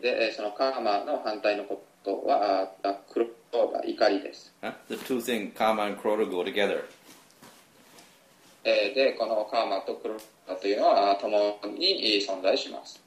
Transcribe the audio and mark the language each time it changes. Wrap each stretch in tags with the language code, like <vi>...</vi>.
<ja>で、そのカーマの反対のことは、クロダ、怒りです。 Huh?</ja> <en>The two things, Karma and Kroda, go together.</en> <ja>で、このカーマとクロダというのは、共に存在します。</ja>